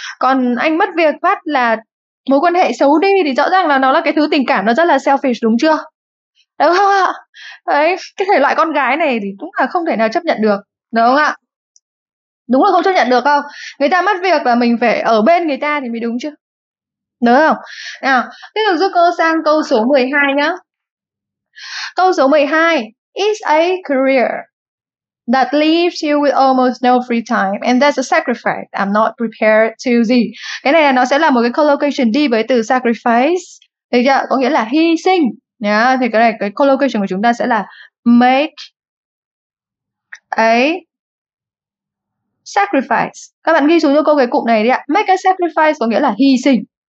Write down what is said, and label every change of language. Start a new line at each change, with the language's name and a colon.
Vietnamese: Còn anh mất việc phát là mối quan hệ xấu đi thì rõ ràng là nó là cái thứ tình cảm nó rất là selfish đúng chưa? Đúng không ạ? Đấy, cái thể loại con gái này thì cũng là không thể nào chấp nhận được. Đúng không ạ? Đúng là không chấp nhận được không? Người ta mất việc là mình phải ở bên người ta thì mới đúng chứ? Đúng không? Nào, tiếp tục giúp cô sang câu số 12 nhá. Câu số 12.
English: It's a career that leaves you with almost no free time and that's a sacrifice I'm not prepared to gì.
Vietnamese: Cái này là nó sẽ là một cái collocation đi với từ sacrifice. Thấy chưa? Có nghĩa là hy sinh. Yeah, thì cái này cái collocation của chúng ta sẽ là
English: make a sacrifice.
Vietnamese: Các bạn ghi xuống cho cô cái cụm này đi ạ.
English: Make a sacrifice
Vietnamese: có nghĩa là hy sinh.